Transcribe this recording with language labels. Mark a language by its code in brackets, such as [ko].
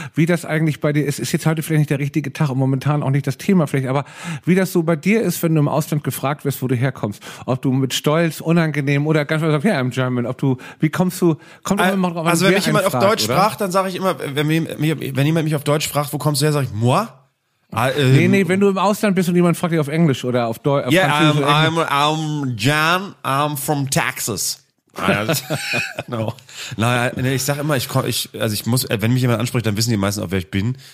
[de] Wie das eigentlich bei dir ist, ist jetzt heute vielleicht nicht der richtige Tag und momentan auch nicht das Thema vielleicht, aber wie das so bei dir ist, wenn du im Ausland gefragt wirst, wo du herkommst, ob du mit Stolz, unangenehm oder ganz einfach sagst, [en] yeah, I'm German, [de] ob du, wie kommst du, kommt immer mal drauf an, also wenn mich jemand auf Deutsch fragt, dann sage ich immer, wenn jemand mich auf Deutsch fragt, wo kommst du her, sage ich, moi? Nee, wenn du im Ausland bist und jemand fragt dich auf Englisch oder auf Deutsch. [en] Yeah, I'm Jan, I'm from Texas. No. [de] Nein, ich sag immer, ich muss, wenn mich jemand anspricht, dann wissen die meisten, auch wer ich bin.